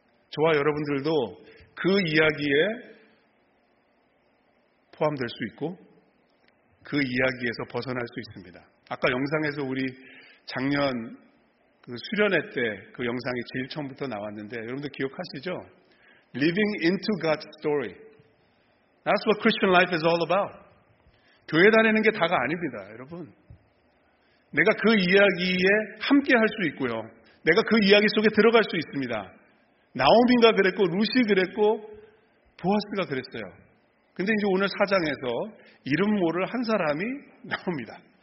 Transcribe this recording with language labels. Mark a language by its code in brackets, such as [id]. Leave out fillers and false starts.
[ko] 저와 여러분들도 그 이야기에 포함될 수 있고 그 이야기에서 벗어날 수 있습니다. 아까 영상에서 우리 작년 그 수련회 때 그 영상이 제일 처음부터 나왔는데 여러분들 기억하시죠? [en] Living into God's story. That's what Christian life is all about. [ko] 교회 다니는 게 다가 아닙니다, 여러분. 내가 그 이야기에 함께 할 수 있고요. 내가 그 이야기 속에 들어갈 수 있습니다. 나오미가 그랬고, 루시 그랬고, 보아스가 그랬어요. 근데 이제 오늘 4장에서 이름 모를 한 사람이 나옵니다.